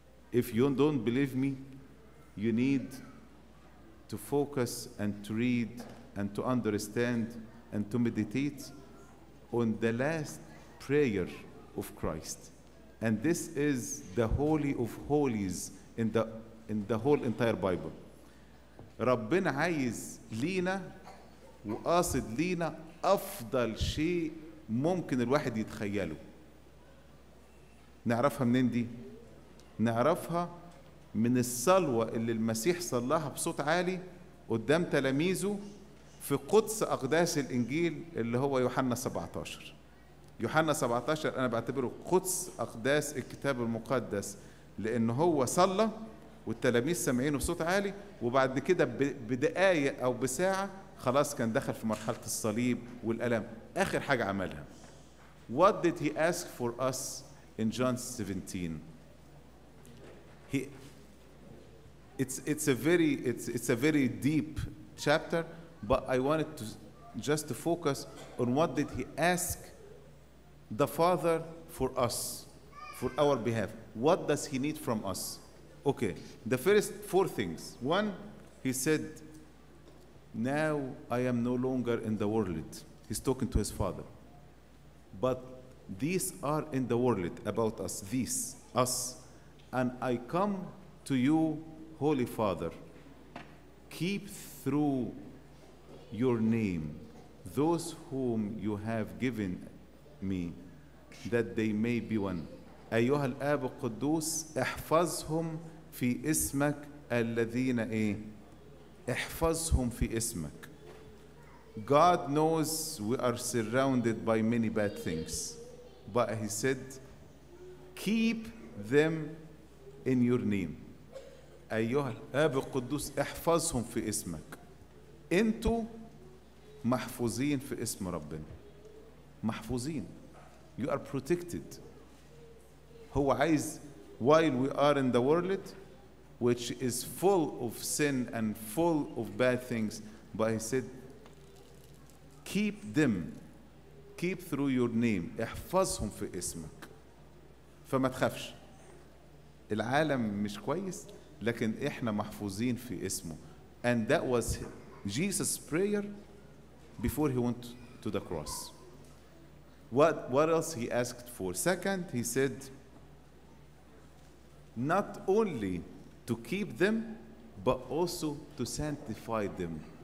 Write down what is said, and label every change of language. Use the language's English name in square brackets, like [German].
[English] If you don't believe me, you need to focus and to read and to understand and to meditate on the last prayer of Christ. And this is the Holy of Holies in the whole entire Bible. [Arabic] ربنا عايز لينا وقاصد لينا أفضل شيء ممكن الواحد يتخيله. نعرفها منين دي؟ نعرفها من الصلوة اللي المسيح صلاها بصوت عالي قدام تلاميذه في قدس أقداس الإنجيل اللي هو يوحنا 17. يوحنا 17 أنا بعتبره قدس أقداس الكتاب المقدس، لأن هو صلى والتلاميذ سمعينه بصوت عالي، وبعد كده بدقائق أو بساعة خلاص كان دخل في مرحلة الصليب والألم. آخر حاجة عملها، [English] What did he ask for us in John 17? It's a very deep chapter, but I wanted to just to focus on what did he ask the Father for us, for our behalf. What does he need from us? Okay, the first four things. One, he said, now I am no longer in the world. He's talking to his Father. But these are in the world about us, these, us. And I come to you, Holy Father, keep through your name those whom you have given me, that they may be one. [Arabic] أيها الآب القدوس احفظهم في اسمك الذين إيه؟ احفظهم في اسمك. [English] God knows we are surrounded by many bad things, but he said, keep them in your name. [Arabic] أيها الآب القدوس احفظهم في اسمك. أنتوا محفوظين في اسم ربنا. محفوظين. [English] You are protected. [Arabic] هو عايز [English] while we are in the world which is full of sin and full of bad things, but he said, keep them, keep through your name, [Arabic] احفظهم في اسمك. فما تخافش. العالم مش كويس لكن احنا محفوظين في اسمه. [English] And that was Jesus' prayer before he went to the cross. What else he asked for? Second, he said, not only to keep them, but also to sanctify them.